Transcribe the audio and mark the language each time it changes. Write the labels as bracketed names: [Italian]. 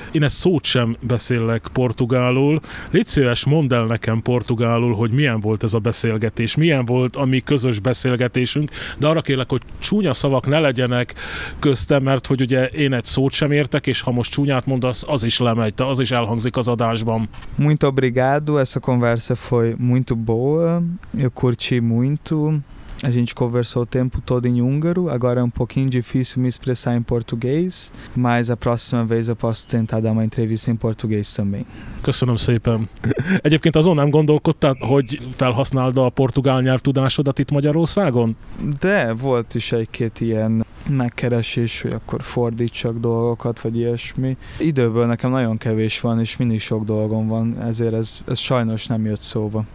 [Hungarian] Én ezt szót sem beszélek portugálul. Légy szíves, mondd el nekem portugálul, hogy milyen volt ez a beszélgetés, milyen volt a mi közös beszélgetésünk, de arra kérlek, hogy csúnya szavak ne legyenek köztem, mert hogy ugye én egy szót sem értek, és ha most csúnyát mondasz, az is lemegy, az is elhangzik az adásban. [Portuguese] Muito obrigado, essa conversa foi muito boa, eu curti muito. A gente conversou o tempo todo em húngaro, agora é um pouquinho difícil me expressar em português, mas a próxima vez eu posso tentar dar uma entrevista em português também. [Hungarian] Köszönöm szépen. Egyébként azon nem gondolkodtál, hogy felhasználd a portugál nyelvtudásodat itt Magyarországon? De volt is egy-két ilyen megkeresés, hogy akkor fordítsak dolgokat, vagy ilyesmi. Időből nekem nagyon kevés van, és mindig sok dolgom van, ezért ez sajnos nem jött szóba.